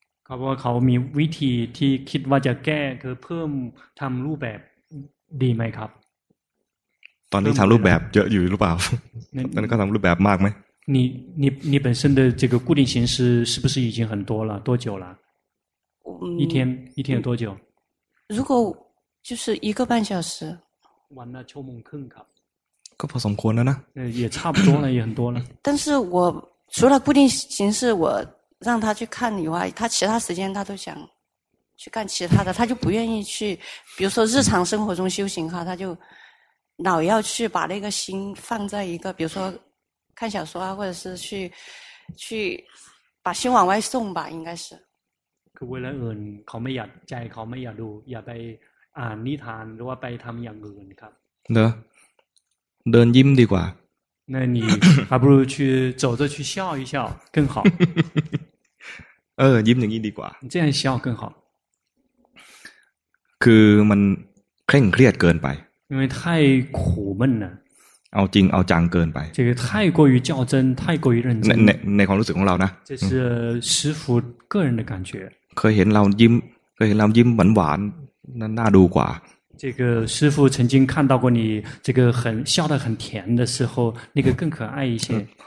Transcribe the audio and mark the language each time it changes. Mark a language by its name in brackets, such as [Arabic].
[Thai] เขามีวิธีที่คิดว่าจะแก้คือเพิ่มทำรูปแบบดีไหมครับ ตอนนี้ทำรูปแบบเยอะอยู่หรือเปล่าตอนนี้ก็ทำรูปแบบมากไหม [Chinese] 你本身的这个固定形式是不是已经很多了多久了一天多久如果就是一个半小时完了秋梦坑卡 [Thai] ก็พอสมควรแล้วนะ [Chinese] 也差不多了也很多了但是我除了固定形式我让他去看以外他其他时间他都想去干其他的他就不愿意去比如说日常生活中修行他就老要去把那个心放在一个比如说看小说啊或者是去把心往外送吧应该是 [Thai] คือเวลาอื่นเขาไม่อยากใจเขาไม่อยากดูอย่าไปอ่านนิทานหรือว่าไปทำอย่างอื่นครับ เนอะเดินยิ้มดีกว่า [Chinese] 那你还不如去走着去笑一笑更好 [Thai] เออยิ้มอย่างนี้ดีกว่า [Chinese] 这样笑更好 [Thai] คือมันเคร่งเครียดเกินไป [Chinese] 因为太苦闷了 [Thai] เอาจริงเอาจังเกินไป [Chinese] 这个太过于较真太过于认真 [Thai] ในความรู้สึกของเรานะ [Chinese] 这是师父个人的感觉 [Thai] เคยเห็นเรายิ้มหวานๆ น่าดูกว่า [Chinese] 这个师父曾经看到过你这个很笑得很甜的时候那个更可爱一些